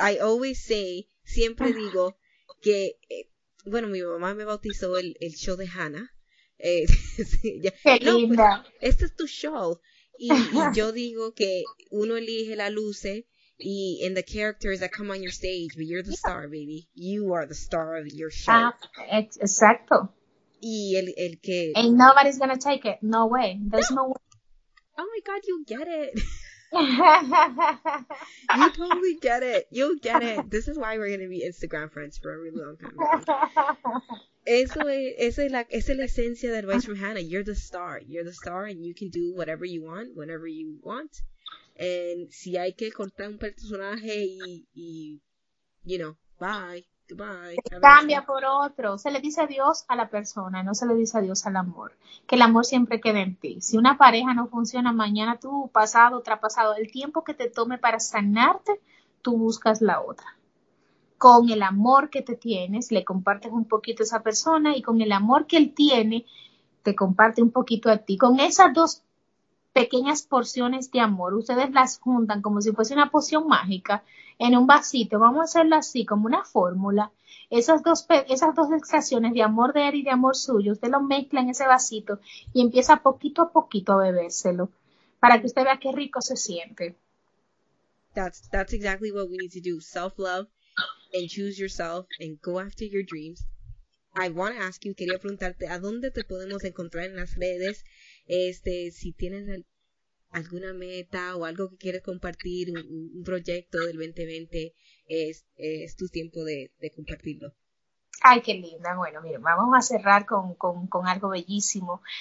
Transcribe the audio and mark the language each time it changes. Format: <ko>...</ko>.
<en>I always say,</en> <es>siempre digo, que, bueno, mi mamá me bautizó el show de Hannah. Qué linda. No, este es tu show. Y yo digo que uno elige la luce y</es> <en>and the characters that come on your stage, but you're the star, baby. You are the star of your show.</en> <es>Exacto. Y el que...</es> <en>And nobody's going to take it. No way. There's no way. Oh my God, you'll get it. You totally get it. You'll get it. This is why we're going to be Instagram friends for a really long time.</en> <es>Eso es la esencia de Advice from Hannah.</es> <en>You're the star. You're the star and you can do whatever you want, whenever you want.</en> <es>And si hay que cortar un personaje y</es> <en>you know, bye. Goodbye.</en> <es>Cambia por otro. Se le dice adiós a la persona, no se le dice adiós al amor. Que el amor siempre quede en ti. Si una pareja no funciona, mañana tú, pasado, traspasado, el tiempo que te tome para sanarte, tú buscas la otra. Con el amor que te tienes, le compartes un poquito a esa persona y con el amor que él tiene, te comparte un poquito a ti. Con esas dos pequeñas porciones de amor, ustedes las juntan como si fuese una poción mágica en un vasito, vamos a hacerlo así, como una fórmula, esas dos extracciones de amor de él y de amor suyo, usted lo mezcla en ese vasito y empieza poquito a poquito a bebérselo, para que usted vea qué rico se siente.</es> <en>That's exactly what we need to do, self-love, and choose yourself, and go after your dreams. I want to ask you,</en> <es>quería preguntarte, ¿a dónde te podemos encontrar en las redes? Si tienes alguna meta o algo que quieres compartir, un proyecto del 2020, es tu tiempo de compartirlo. Ay, qué linda. Bueno, mira, vamos a cerrar con algo bellísimo.</es>